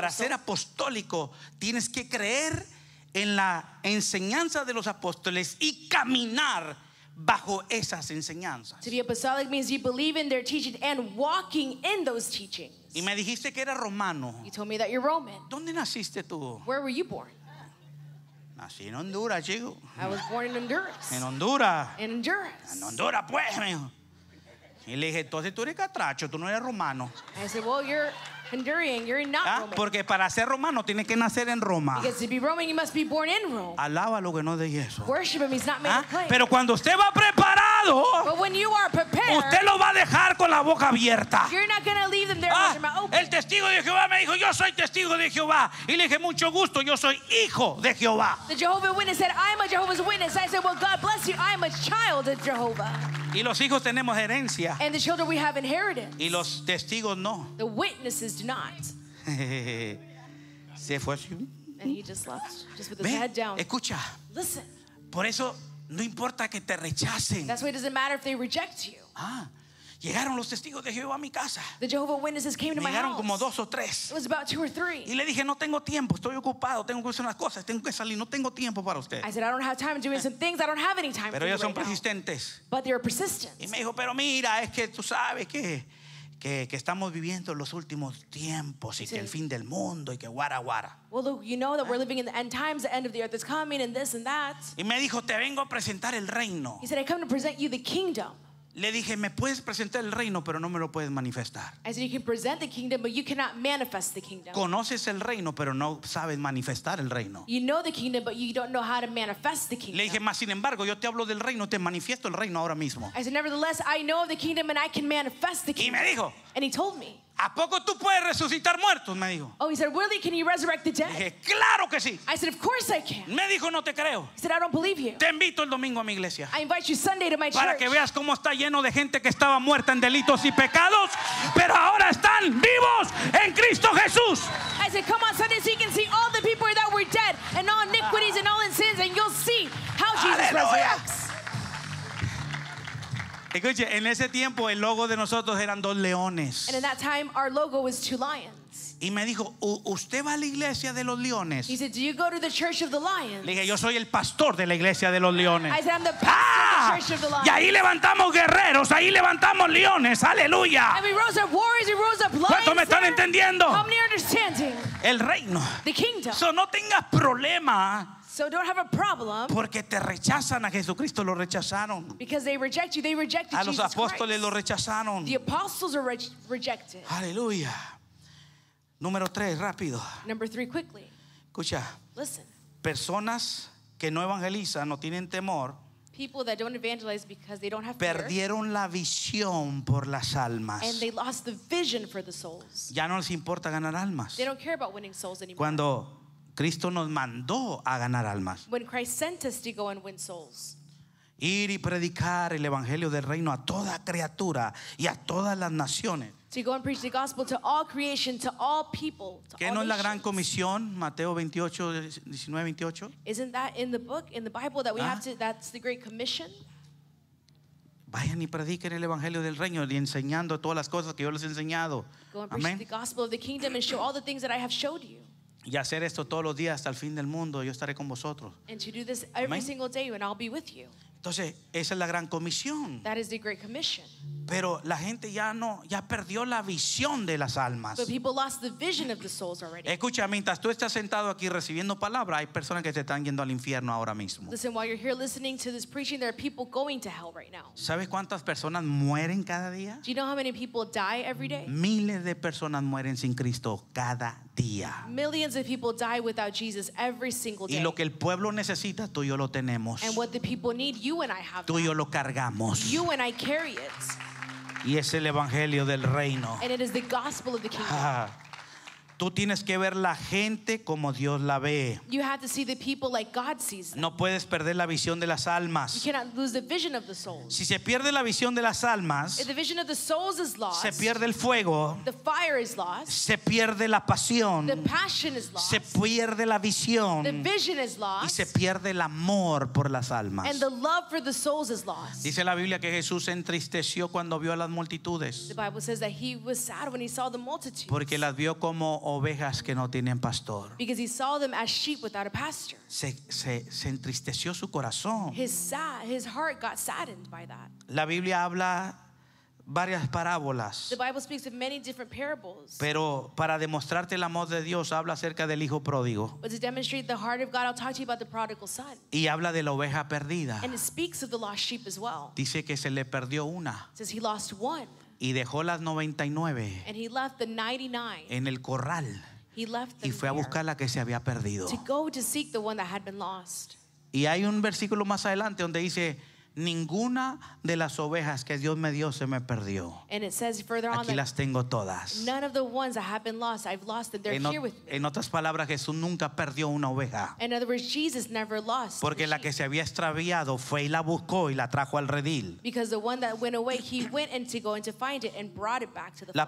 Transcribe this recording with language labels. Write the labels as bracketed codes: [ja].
[es] Para ser apostólico, tienes que creer en la enseñanza de los apóstoles y caminar bajo esas enseñanzas. [en] To be apostolic means you believe in their teaching and walking in those teachings. [es] Y me dijiste que era romano. [en] You told me that you're Roman. [es] ¿Dónde naciste tú? [en] Where were you born? [es] Nací en Honduras, chico. [en] I was born in Honduras. [es] En Honduras. [en] In Honduras. [es] En Honduras, pues, mijo. Y le dije, entonces tú eres catracho, tú no eres romano. [en] I said, well, you're Honduran, you're not Roman. [es] Porque para ser romano tienes que nacer en Roma. [en] Because to be Roman, you must be born in Rome. [es] Alábalo que no de eso. [en] Worship him, he's not made of clay. [es] Pero cuando usted va preparado, [en] but when you are prepared, [es] usted lo va a dejar con la boca abierta. [en] You're not going to leave them there with your mouth open. [es] El testigo de Jehová me dijo, yo soy testigo de Jehová. Y le dije, mucho gusto, yo soy hijo de Jehová. [en] The Jehovah's Witness said, I am a Jehovah's Witness. I said, well, God bless you, I am a child of Jehovah. [es] Y los hijos tenemos herencia. [en] And the children we have inheritance. [es] Y los testigos no. [en] The witnesses do not. [es] Se fue. [en] And he just left, just with his head down. [es] Escucha. [en] Listen. [es] Por eso no importa que te rechacen. [en] That's why it doesn't matter if they reject you. [es] Llegaron los testigos de Jehová a mi casa. [en] The Jehovah Witnesses came to my house. [es] Llegaron como dos o tres. [en] It was about two or three. [es] Y le dije, no tengo tiempo, estoy ocupado, tengo que hacer unas cosas, tengo que salir, no tengo tiempo para usted. [en] I said, I don't have time doing some things, I don't have any time. [es] Pero ellos son [en] right [es] persistentes. [en] Now. But they're persistent. [es] Y me dijo, pero mira, es que tú sabes que estamos viviendo los últimos tiempos y que el fin del mundo y que guara guara. [en] Well, look, you know that we're living in the end times, the end of the earth is coming and this and that. [es] Y me dijo, te vengo a presentar el reino. [en] He said, I come to present you the kingdom. [es] Le dije, me puedes presentar el reino, pero no me lo puedes manifestar. [en] I said, you can present the kingdom, but you cannot manifest the kingdom. [es] Conoces el reino, pero no sabes manifestar el reino. [en] You know the kingdom, but you don't know how to manifest the kingdom. [es] Le dije, más sin embargo, yo te hablo del reino, te manifiesto el reino ahora mismo. [en] I said, nevertheless, I know of the kingdom and I can manifest the kingdom. [es] Y me dijo, [en] and he told me, [es] ¿a poco tú puedes resucitar muertos? Me dijo. [en] Oh, he said, really, can you resurrect the dead? [es] Dije, claro que sí. [en] I said, of course I can. [es] Me dijo, no te creo. [en] He said, I don't believe you. [es] Te invito el domingo a mi iglesia. [en] I invite you Sunday to my church. [es] Para que veas cómo está lleno de gente que estaba muerta en delitos y pecados, pero ahora están vivos en Cristo Jesús. [en] I said, come on Sunday so you can see all the people that were dead and all iniquities and all in sins and you'll see how Jesus resurrects. [es] Escuche, en ese tiempo el logo de nosotros eran dos leones. [en] And in that time, our logo was two lions. [es] Y me dijo, ¿usted va a la iglesia de los leones? [en] He said, do you go to the church of the lions? [es] Le dije, yo soy el pastor de la iglesia de los leones. [en] I said, I'm the pastor of the church of the lions. [es] Y ahí levantamos guerreros, ahí levantamos leones, aleluya. [en] And we rose up warriors, we rose up lions. [es] ¿Cuántos me están [en] there? [es] Entendiendo? [en] How many are understanding? [es] El reino. [en] The kingdom. [es] So no tengas problema. [en] So don't have a problem. [es] Porque te rechazan a Jesucristo, lo rechazaron. [en] Because they reject you, they rejected Jesus. [es] A los apóstoles lo rechazaron. [en] The apostles are rejected. [es] Aleluya. Número tres, rápido. [en] Number three, quickly. [es] Escucha. [en] Listen. [es] Personas que no evangelizan, no tienen temor. [en] People that don't evangelize because they don't have [es] fear. Perdieron la visión por las almas. [en] And they lost the vision for the souls. [es] Ya no les importa ganar almas. [en] They don't care about winning souls anymore. [es] Cuando Cristo nos mandó a ganar almas. [en] When Christ sent us to go and win souls. [es] Ir y predicar el evangelio del reino a toda criatura y a todas las naciones. [en] To go and preach the gospel to all creation, to all people, to all nations. [es] ¿Qué no es la gran comisión? Mateo 28:19-28. [en] Isn't that in the book, in the Bible, that we have to, that's the great commission? [es] Vayan y prediquen el evangelio del reino y enseñando todas las cosas que yo les he enseñado. [en] Go and preach the gospel of the kingdom and show all the things that I have showed you. [es] Y hacer esto todos los días hasta el fin del mundo, yo estaré con vosotros. [en] And to do this every Amen. Single day and I'll be with you. [es] Entonces, esa es la gran comisión. [en] That is the great commission. [es] Pero la gente ya perdió la visión de las almas. [en] But people lost the vision of the souls already. [es] Escucha, mientras tú estás sentado aquí recibiendo palabra, hay personas que se están yendo al infierno ahora mismo. [en] Listen, while you're here listening to this preaching, there are people going to hell right now. [es] ¿Sabes cuántas personas mueren cada día? [en] Do you know how many people die every day? [es] Miles de personas mueren sin Cristo cada día. [en] Millions of people die without Jesus every single day. [es] Y lo que el pueblo necesita, tú y yo lo tenemos. [en] And what the people need, you and I have. [es] Tú y yo lo cargamos. [en] You and I carry it. [es] Y es el evangelio del reino. [en] And it is the gospel of the kingdom. [es] Tú tienes que ver la gente como Dios la ve. [en] You have to see the people like God sees them. [es] No puedes perder la visión de las almas. [en] You cannot lose the vision of the souls. [es] Si se pierde la visión de las almas, [en] if the vision of the souls is lost, [es] se pierde el fuego, [en] the fire is lost, [es] se pierde la pasión, [en] the passion is lost, [es] se pierde la visión, [en] the vision is lost, [es] y se pierde el amor por las almas, [en] and the love for the souls is lost. [es] Dice la Biblia que Jesús se entristeció cuando vio a las multitudes. [en] The Bible says that he was sad when he saw the multitudes. [es] Porque las vio como ovejas que no tienen pastor. [en] Because he saw them as sheep without a pastor. [es] Se entristeció su corazón. [en] His heart got saddened by that. [es] La Biblia habla varias parábolas. [en] The Bible speaks of many different parables. [es] Pero para demostrarte el amor de Dios, habla acerca del hijo pródigo. [en] But to demonstrate the heart of God, I'll talk to you about the prodigal son. [es] Y habla de la oveja perdida. [en] And it speaks of the lost sheep as well. [es] Dice que se le perdió una. [en] It says he lost one. [es] Y dejó las 99. [en] And he left the 99. [es] En el corral. [en] He left [es] y fue a buscar la que se había perdido. [en] To go to seek the one that had been lost. [es] Y hay un versículo más adelante donde dice, ninguna de las ovejas que Dios me dio se me perdió. [en] And it says further on, [es] aquí las tengo todas. [en] None of the ones that have been lost, I've lost them. They're here with me. [es] En otras palabras, Jesús nunca perdió una oveja. [en] In other words, Jesus never lost. [es] Porque la que se había extraviado fue y la buscó y la trajo al redil. [en] Because the one that went away, he went and to go and to find it and brought it back to the Father.